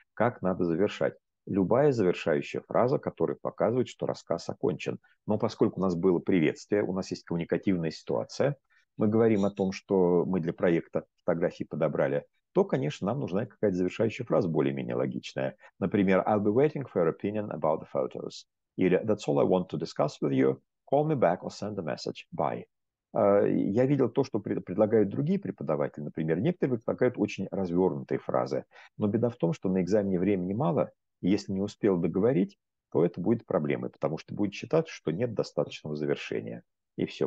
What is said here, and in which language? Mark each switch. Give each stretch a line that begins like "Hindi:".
Russian: Как надо завершать? Любая завершающая фраза, которая показывает, что рассказ окончен. Но поскольку у нас было приветствие, у нас есть коммуникативная ситуация, мы говорим о том, что мы для проекта фотографии подобрали, то, конечно, нам нужна какая-то завершающая фраза более-менее логичная. Например,
English: I'll be waiting for your opinion about the photos.
Russian: Или
English: that's all I want to discuss with you. Call me back or send a message. Bye.
Russian: Я видел то, что предлагают другие преподаватели. Например, некоторые предлагают очень развернутые фразы. Но беда в том, что на экзамене времени мало, и если не успел договорить, то это будет проблемой, потому что будет считаться, что нет достаточного завершения. И все.